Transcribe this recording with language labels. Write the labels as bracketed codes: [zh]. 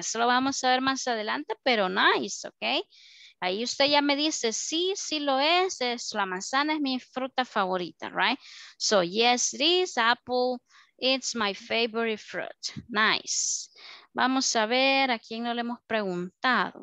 [es] Eso lo vamos a ver más adelante, pero nice, ok. Ahí usted ya me dice, sí, sí lo es, la manzana es mi fruta favorita, right? [en] So, yes, it is apple, it's my favorite fruit. Nice. [es] Vamos a ver a quién no le hemos preguntado.